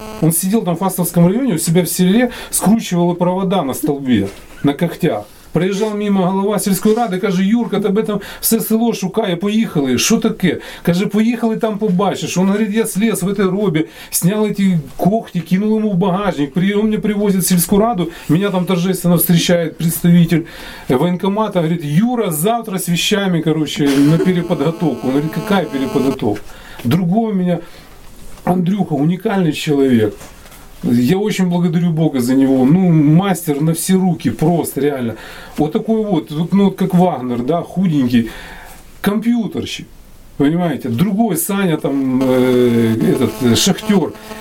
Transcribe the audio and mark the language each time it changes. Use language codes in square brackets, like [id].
[ru] Он сидел там в Фастовском районе, у себя в селе, скручивал провода на столбе, на когтях. [uk] Приїжджав мимо голова сільської ради, каже: Юрка, тебе там все село шукає, поїхали. Що таке? Каже, поїхали там, побачиш. Він говорить, я сліз [ru] в этой [uk] робі, сняли ті когті, кинули йому в багажник. Його мені привозять в сільську раду, мене там торжественно зустрічає представитель воєнкомату, говорить: Юра, завтра з вещами, короче, на переподготовку. Він говорить, яка переподготовка? [ru] Другой у меня Андрюха, уникальный человек. Я очень благодарю Бога за него. Ну, мастер на все руки, просто, реально. Вот такой вот, ну, вот как Вагнер, да, худенький. Компьютерщик, понимаете? Другой, Саня, там, этот, шахтер.